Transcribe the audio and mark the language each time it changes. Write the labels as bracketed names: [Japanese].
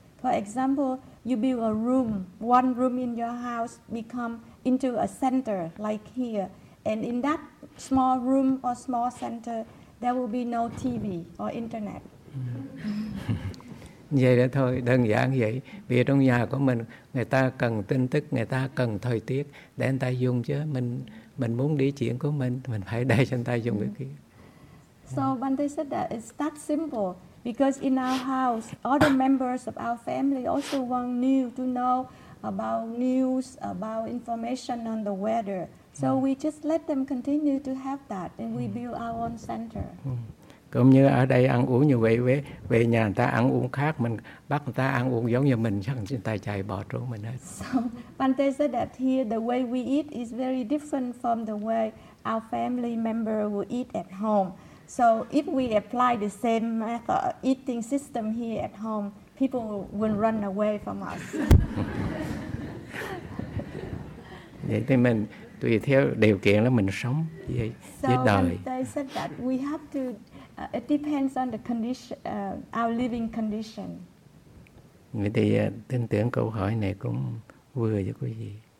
[English] For example, you build a room, one room in your house become into a center like here. And in that small room or small center, there will be no TV or internet. [Vietnamese] Vậy đó thôi, đơn giản vậy. Vì trong nhà của mình, người ta cần tin tức, người ta cần thời tiết để người ta dùng chứ. Mình muốn đi chuyện của mình phải để cho người ta dùng cái kia. [English] So Bhante said that it's that simple. Because in our house, all the members of our family also want new to know about news, about information on the weather. So we just let them continue to have that and we build our own center. [Vietnamese] Cũng như ở đây ăn uống như vậy, về nhà người ta ăn uống khác, mình bắt người ta ăn uống giống như mình, chẳng người ta chạy bỏ trốn mình hết. [English] So Bhante said that here the way we eat is very different from the way our family member will eat at home. So if we apply the same method eating system here at home, people will run away from us. [Vietnamese] Vậy thì mình tùy theo điều kiện là mình sống với đời. [English] So Bhante said that we have to it depends on the condition, our living condition. [Vietnamese] Vậy thì tin tưởng câu hỏi này cũng vừa với quý vị.